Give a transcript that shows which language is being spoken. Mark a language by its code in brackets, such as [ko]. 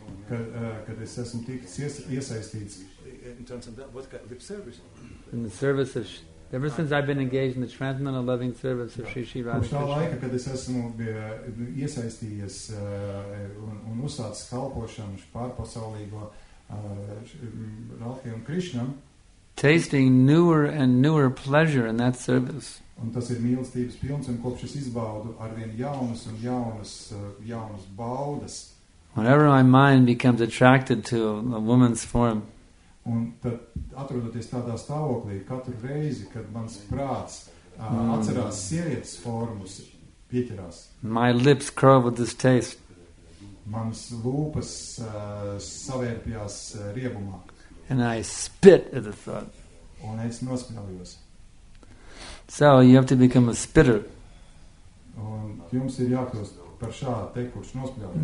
[lv] kad es esmu tikis iesaistīts [en] in terms of that, what kind of lip service? in the service of ever since I've been engaged in the transcendental loving service of Sri Sri Radhakrishna. [lv] Kopš tā laika, kad es esmu iesaistījies un uzsācis kalpošanu pārpasaulīgo Radhe un Krishnam, [en] tasting newer and newer pleasure in that service. [lv] Un tas ir mīlestības pilns, un kopš es izbaudu arvien jaunas un jaunas jaunas baudas. [en] Whenever my mind becomes attracted to a woman's form, [lv] un tad atrodoties tādā stāvoklī, katru reizi, kad mans prāts atcerās sievietes formas, pieķerās. [en] My lips curl with this taste. [lv] Manas lūpas savērpjās riebumā. [en] And I spit at the thought. [lv] Un es nospļaujos. [en] So you have to become a spitter. [lv] Un jums ir jākļūst par šādu te, kurš nospļaujas.